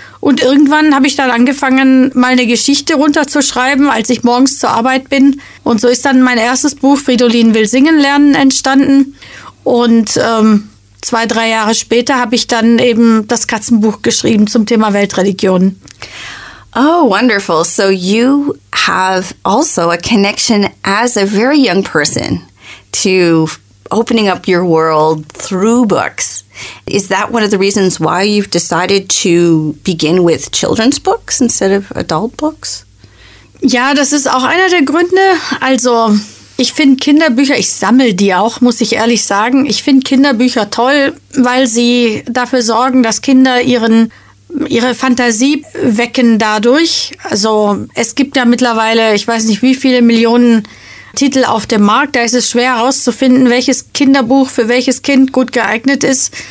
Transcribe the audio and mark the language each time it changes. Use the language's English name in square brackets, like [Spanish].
[German] Und irgendwann habe ich dann angefangen, mal eine Geschichte runterzuschreiben, als ich morgens zur Arbeit bin. Und so ist dann mein erstes Buch, Fridolin will singen lernen, entstanden. Und 2-3 Jahre später habe ich dann eben das Katzenbuch geschrieben zum Thema Weltreligion. [English] Oh, wonderful. So you have also a connection as a very young person to opening up your world through books. Is that one of the reasons why you've decided to begin with children's books instead of adult books? [German] Ja, das ist auch einer der Gründe. Also, ich finde Kinderbücher, ich sammle die auch, muss ich ehrlich sagen. Ich finde Kinderbücher toll, weil sie dafür sorgen, dass Kinder ihre Fantasie wecken dadurch. Also, es gibt ja mittlerweile, ich weiß nicht, wie viele Millionen Titel auf dem Markt, da ist es schwer herauszufinden, welches Kinderbuch für welches Kind gut geeignet ist.